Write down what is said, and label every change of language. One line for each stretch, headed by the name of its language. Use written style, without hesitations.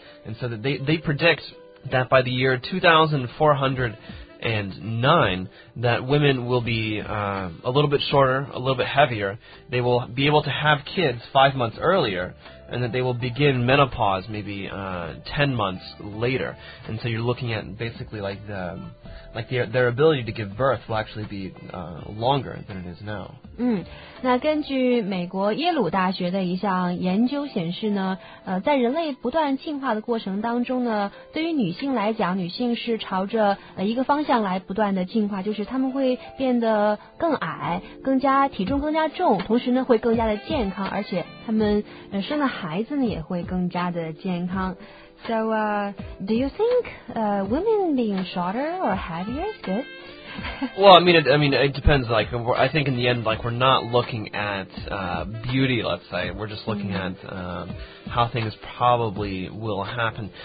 English: And so that they predict that by the year 2409, that women will be a little bit shorter, a little bit heavier. They will be able to have kids 5 months earlier, and that they will begin menopause maybe 10 months later. And so you're looking at basically like the... Like their ability to give birth will actually be longer than it is now.
Chinese: 那根据美国耶鲁大学的一项研究显示呢，在人类不断进化的过程当中呢，对于女性来讲，女性是朝着一个方向来不断的进化，就是她们会变得更矮，更加体重更加重，同时呢会更加的健康，而且她们生的孩子呢也会更加的健康。
English: So, do you think women being shorter or heavier is good? Well, I mean, it depends. Like, I think in the end, like, we're not looking at beauty, let's say. We're just looking at how things probably will happen.